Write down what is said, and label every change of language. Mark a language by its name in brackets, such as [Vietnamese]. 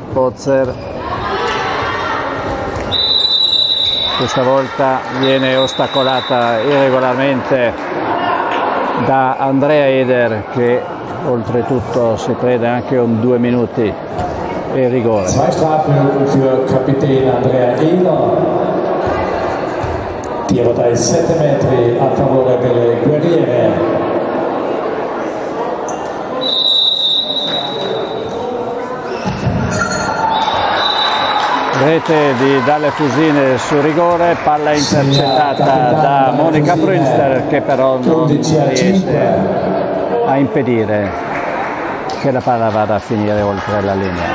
[Italian] Pozzer questa volta viene ostacolata irregolarmente da Andrea Eder, che oltretutto si prende anche un due minuti e rigore. [German] Zwei Strafen für Kapitän Andrea Eder. [Italian] Tiro dai 7 metri a favore delle guerriere. Rete di Dalle Fusine su rigore, palla intercettata da Monica Prünster che però non riesce a impedire che la palla vada a finire oltre la linea.